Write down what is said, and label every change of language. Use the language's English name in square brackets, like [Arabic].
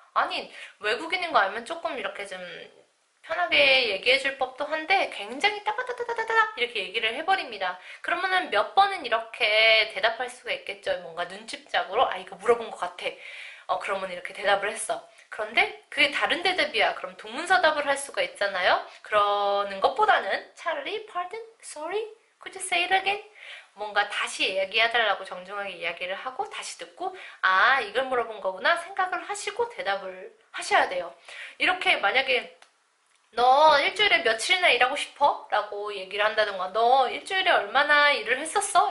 [Korean] 아니 외국인인 거 알면 조금 이렇게 좀 편하게 얘기해줄 법도 한데 굉장히 따다다다다다 이렇게 얘기를 해버립니다. 그러면은 몇 번은 이렇게 대답할 수가 있겠죠. 뭔가 눈치작으로 이거 물어본 것 같아. 그러면 이렇게 대답을 했어. 그런데 그게 다른 대답이야. 그럼 동문서답을 할 수가 있잖아요. 그러는 것보다는 차라리 [English] pardon, sorry, could you say it again? [Korean] 뭔가 다시 얘기해달라고 정중하게 이야기를 하고 다시 듣고 이걸 물어본 거구나 생각을 하시고 대답을 하셔야 돼요. 이렇게 만약에 너 일주일에 며칠이나 일하고 싶어? 라고 얘기를 한다든가, 너 일주일에 얼마나 일을 했었어?